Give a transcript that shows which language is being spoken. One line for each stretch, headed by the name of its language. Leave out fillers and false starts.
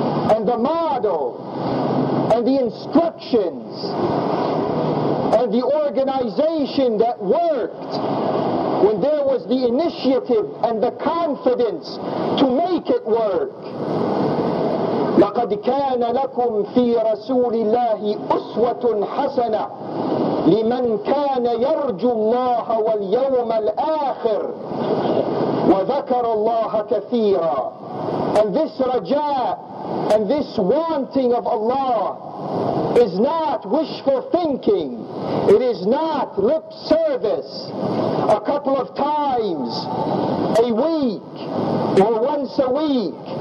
English: and the model and the instructions and the organization that worked when there was the initiative and the confidence to make it work.
Arabic: لقد كان لكم في رسول الله أسوة حسنة لمن كان يرجو الله واليوم الآخر وذكر الله كثيرا.
English: And this raja and this wanting of Allah is not wishful thinking. It is not lip service a couple of times a week or once a week.